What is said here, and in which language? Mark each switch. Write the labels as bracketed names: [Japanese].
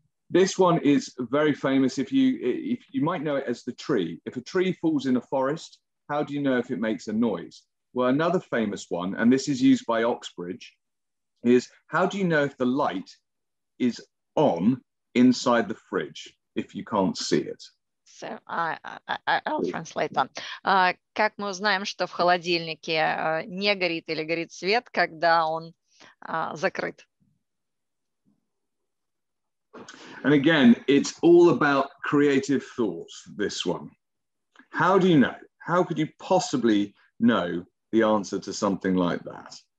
[English] This one is very famous. If you might know it as the tree. If a tree falls in a forest, how do you know if it makes a noise? Well, another famous one, and this is used by Oxbridge, is how do you know if the light is on inside the fridge if you can't see it? So I'll translate on. [Russian] Как мы узнаем, что в холодильнике не горит или горит свет, когда он закрыт? [English] And again, it's all about creative thought, this one. How do you know? How could you possibly know the answer to something like that?